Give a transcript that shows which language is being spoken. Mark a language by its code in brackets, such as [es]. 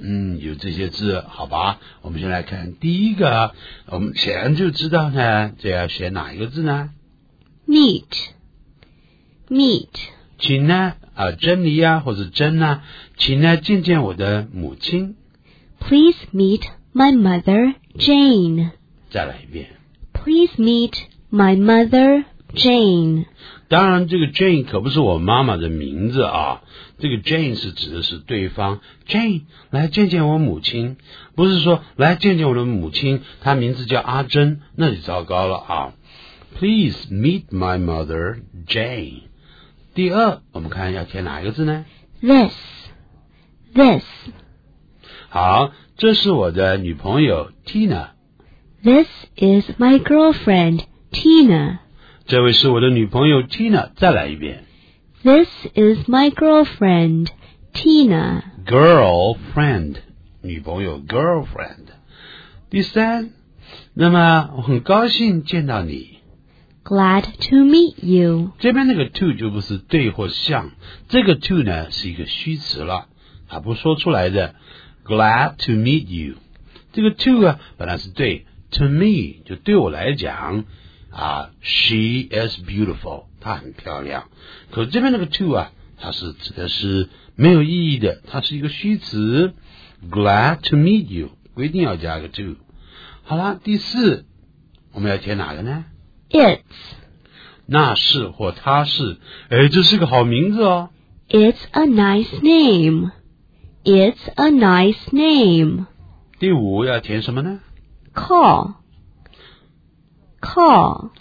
[zh] 嗯有这些字好吧我们先来看第一个我们显然就知道呢这要写哪一个字呢 [en] meet meet [zh] 请呢珍妮啊或是珍啊请呢见见我的母亲 [en] Please meet my mother, Jane. [zh] 再来一遍。 [en] Please meet my mother, Jane. [zh] 当然这个 Jane 可不是我妈妈的名字啊。这个 Jane 是指的是对方。 Jane, 来见见我母亲。不是说来见见我的母亲她名字叫阿珍那就糟糕了啊。 [en] Please meet my mother, Jane. [zh] 第二我们看要填哪一个字呢 [en] This. This. [zh] 好这是我的女朋友 Tina [en] This is my girlfriend Tina [zh] 这位是我的女朋友 Tina 再来一遍 [en] This is my girlfriend Tina [zh] Girlfriend 女朋友 girlfriend 第三那么我很高兴见到你 [en] Glad to meet you [zh] 这边那个 to 就不是对或向这个 to 呢是一个虚词了它不说出来的 [en] Glad to meet you. [zh] 这个 to 啊本来是对 to me, 就对我来讲啊 [en] she is beautiful, [zh] 她很漂亮。可这边那个 to 啊它是指的是没有意义的它是一个虚词。 [en] Glad to meet you, [zh] 规定要加个 [en] to. [zh] 好啦第四我们要填哪个呢 [en] ?It's. [zh] 那是或它是诶这是个好名字哦。 [en] It's a nice name. It's a nice name. [zh] 第五要填什么呢 [en] ?Call. Call.